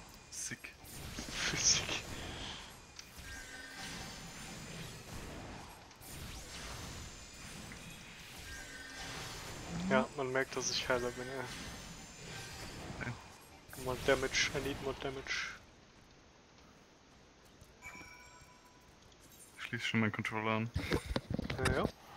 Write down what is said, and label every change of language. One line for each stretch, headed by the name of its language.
English: Sick.
German: Physik. Ja, man merkt, dass ich heiler bin, ja.
English: More damage, I need more damage.
German: Schließ schon meinen Controller an. Ja, ja.